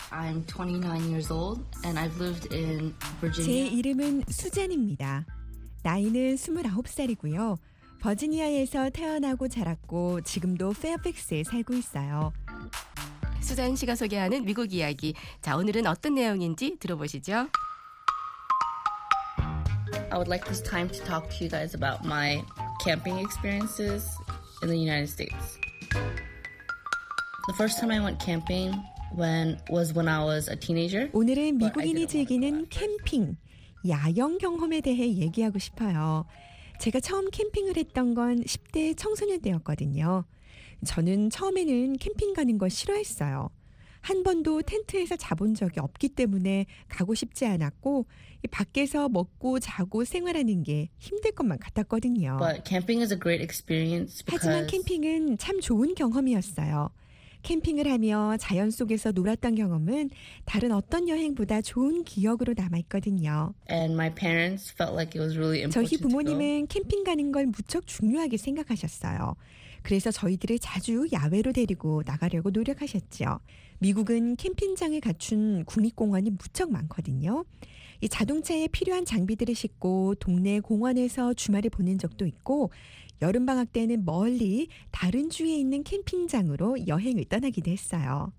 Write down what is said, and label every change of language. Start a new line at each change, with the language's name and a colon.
English: I'm 29 years old and I've lived in Virginia.
Korean: 제 이름은 수잔입니다. 나이는 29살이고요. 버지니아에서 태어나고 자랐고 지금도 페어팩스에 살고 있어요. 수잔 씨가 소개하는 미국 이야기. 자, 오늘은 어떤 내용인지 들어보시죠.
English: I would like this time to talk to you guys about my camping experiences in the United States. The first time I went camping was when I was a teenager.
Korean: 오늘은 미국인이 즐기는 캠핑, 야영 경험에 대해 얘기하고 싶어요. 제가 처음 캠핑을 했던 건 10대 청소년 때였거든요. 저는 처음에는 캠핑 가는 거 싫어했어요. 한 번도 텐트에서 자본 적이 없기 때문에 가고 싶지 않았고 밖에서 먹고 자고 생활하는 게 힘들 것만 같았거든요.
English: But camping is a great experience because
Korean: 하지만 캠핑은 참 좋은 경험이었어요. 캠핑을 하며 자연 속에서 놀았던 경험은 다른 어떤 여행보다 좋은 기억으로 남아있거든요.
English: And my parents felt like it was really important.
Korean: 저희 부모님은 캠핑 가는 걸 무척 중요하게 생각하셨어요. 그래서 저희들을 자주 야외로 데리고 나가려고 노력하셨죠. 미국은 캠핑장을 갖춘 국립공원이 무척 많거든요. 이 자동차에 필요한 장비들을 싣고 동네 공원에서 주말을 보낸 적도 있고 여름방학 때는 멀리 다른 주에 있는 캠핑장으로 여행을 떠나기도 했어요.